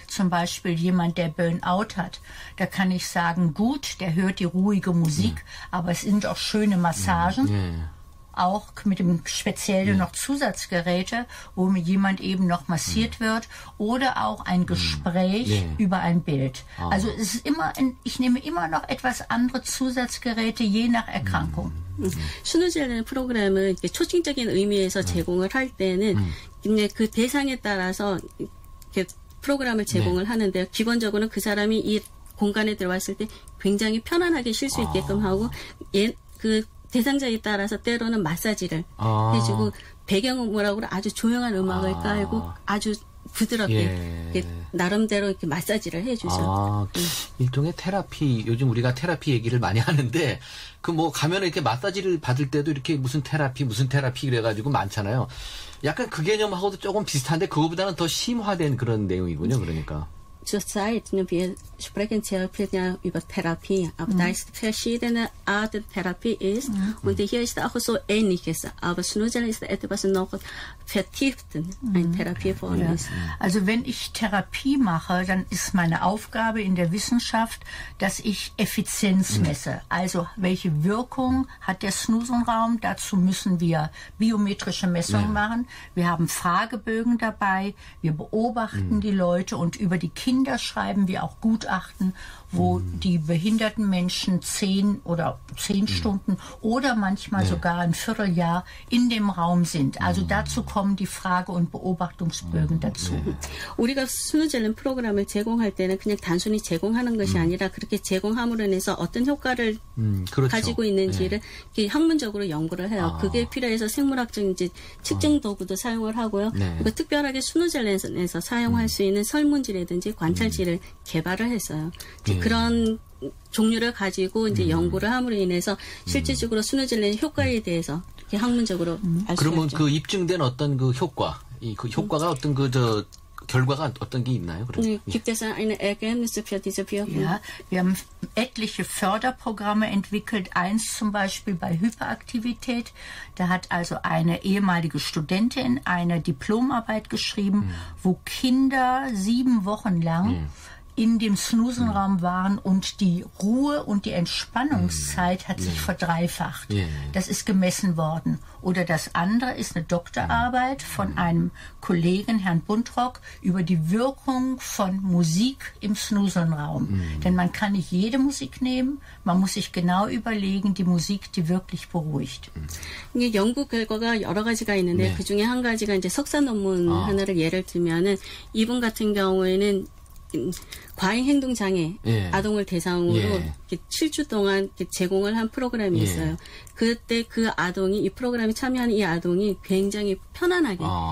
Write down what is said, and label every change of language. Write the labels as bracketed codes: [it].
[de] Zum Beispiel jemand, der Burnout hat. Da kann ich sagen, gut, der hört die ruhige Musik, aber es sind auch schöne Massagen. Auch mit dem speziellen noch Zusatzgeräte, wo mir jemand eben noch massiert wird oder auch ein Gespräch über ein Bild. Also es ist immer, ich nehme immer noch etwas andere Zusatzgeräte je nach Erkrankung. [ko] 스누젤렌 프로그램을 초칭적인 의미에서 제공을 할 때는 그 대상에 따라서 이렇게 프로그램을 제공을 하는데 기본적으로 그 사람이 이 공간에 들어왔을 때 굉장히 편안하게 쉴 수 있게끔 하고 그 대상자에 따라서 때로는 마사지를 해주고 배경음악으로 아주 조용한 음악을 깔고 아주 부드럽게 나름대로 이렇게 마사지를 해주죠. 일종의 테라피, 요즘 우리가 테라피 얘기를 많이 하는데 그 뭐 가면 이렇게 마사지를 받을 때도 이렇게 무슨 테라피 그래가지고 많잖아요. 약간 그 개념하고도 조금 비슷한데 그거보다는 더 심화된 그런 내용이군요. 그러니까. [de] Zurzeit, wir sprechen sehr viel über Therapie, aber da ist verschiedene Arten Therapie ist und hier ist auch so ähnliches, aber Schnurzeln ist etwas noch vertieft, ein Therapieform ist. Also wenn ich Therapie mache, dann ist meine Aufgabe in der Wissenschaft, dass ich Effizienz messe. Also welche Wirkung hat der Schnurzelnraum? Dazu müssen wir biometrische Messungen machen. Wir haben Fragebögen dabei, wir beobachten die Leute und über die Kinder schreiben wir auch Gutachten, wo die behinderten Menschen 10 Stunden oder manchmal sogar ein Vierteljahr in dem Raum sind. Also dazu kommen die Frage- und Beobachtungsbögen dazu. [ko] 우리가 스누젤렌 프로그램을 제공할 때는 그냥 단순히 제공하는 것이 아니라 그렇게 제공함으로 인해서 어떤 효과를 가지고 있는지를 학문적으로 연구를 해요. 그게 필요해서 생물학적인 측정 도구도 사용을 하고요. 그리고 특별하게 스누젤렌에서 사용할 수 있는 설문지라든지 관찰지를 개발을 했어요. 그런 종류를 가지고 이제 연구를 함으로 인해서 실질적으로 스누젤렌 효과에 대해서 이렇게 학문적으로 알 수 있죠. 그러면 그 입증된 어떤 그 효과, 그 효과가 어떤 그 저 결과가 어떤 게 있나요? 그래서 [de] gibt es eine Ergebnis für diese Wirkung? Ja, wir haben etliche Förderprogramme entwickelt. Eins zum Beispiel bei Hyperaktivität. Da hat also eine ehemalige Studentin eine Diplomarbeit geschrieben, wo Kinder 7 Wochen lang in dem Snusenraum waren und die Ruhe und die Entspannungszeit hat sich verdreifacht. Das ist gemessen worden. Oder das andere ist eine Doktorarbeit von einem Kollegen, Herrn Buntrock, über die Wirkung von Musik im Snusenraum. Denn man kann nicht jede Musik nehmen, man muss sich genau überlegen, die Musik, die wirklich beruhigt. [ko] 이게 연구 결과가 여러 가지가 있는데 그 중에 한 가지가 이제 석사 논문 하나를 예를 들면은 이분 같은 경우에는 과잉 행동 장애 아동을 대상으로 7주 동안 제공을 한 프로그램이 있어요. 그때 그 아동이 이 프로그램에 참여하는 이 아동이 굉장히 편안하게